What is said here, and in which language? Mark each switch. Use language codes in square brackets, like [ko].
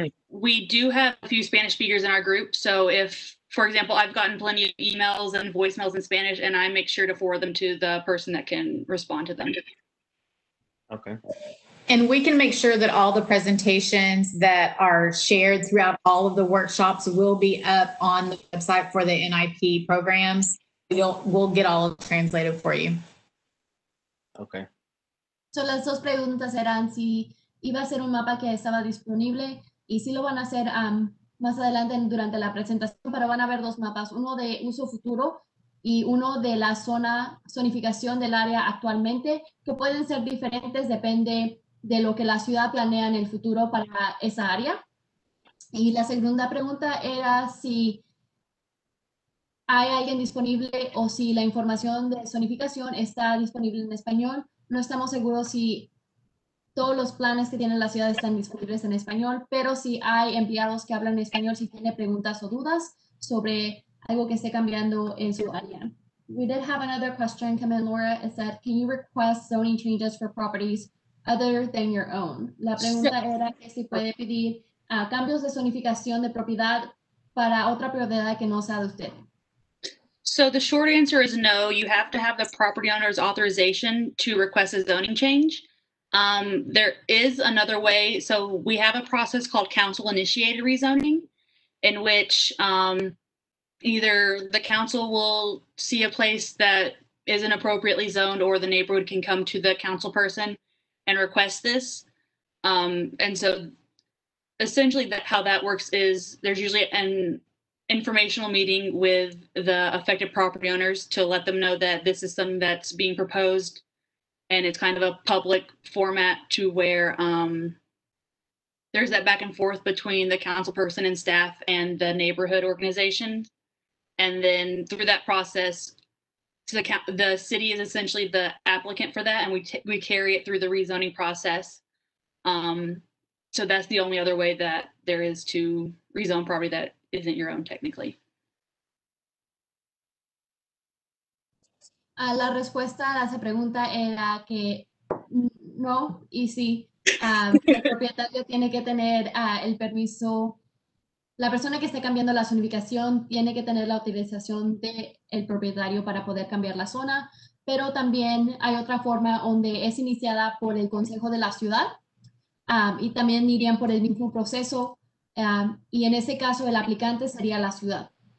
[en] We do have a few Spanish speakers in our group. So if, for example, I've gotten plenty of emails and voicemails in Spanish, and I make sure to forward them to the person that can respond to them. Okay. And we can make sure that all the presentations that are shared throughout all of the workshops will be up on the website for the NIP programs. We'll get all of it translated for you. Okay. [es] So las dos preguntas eran si iba a ser un mapa que estaba disponible y sí lo van a hacer más adelante durante la presentación, pero van a ver dos mapas, uno de uso futuro y uno de la zona zonificación del área actualmente, que pueden ser diferentes, depende de lo que la ciudad planea en el futuro para esa área. Y la segunda pregunta era si hay alguien disponible o si la información de zonificación está disponible en español. No estamos seguros si todos los planes que tiene la ciudad están disponibles en español, pero si hay empleados que hablan español, si tiene preguntas o dudas sobre algo que esté cambiando en su área. [en] We did have another question come in, Laura. It said, can you request zoning changes for properties other than your own? [es] La pregunta era que si puede pedir cambios de zonificación de propiedad para otra propiedad que no sea de usted. [en] So the short answer is no. You have to have the property owner's authorization to request a zoning change. There is another way. So we have a process called council initiated rezoning, in which either the council will see a place that isn't appropriately zoned, or the neighborhood can come to the council person and request this. And so essentially that how that works is there's usually an informational meeting with the affected property owners to let them know that this is something that's being proposed, and it's kind of a public format to where there's that back and forth between the council person and staff and the neighborhood organization. And then through that process, to the city is essentially the applicant for that, and we carry it through the rezoning process. So that's the only other way that there is to rezone property that isn't your own, technically. [es] La respuesta a esa pregunta era que no, y sí, el propietario tiene que tener el permiso. La persona que esté cambiando la zonificación tiene que tener la autorización del propietario para poder cambiar la zona, pero también hay otra forma donde es iniciada por el Consejo de la Ciudad y también irían por el mismo proceso y en ese caso el aplicante sería la ciudad.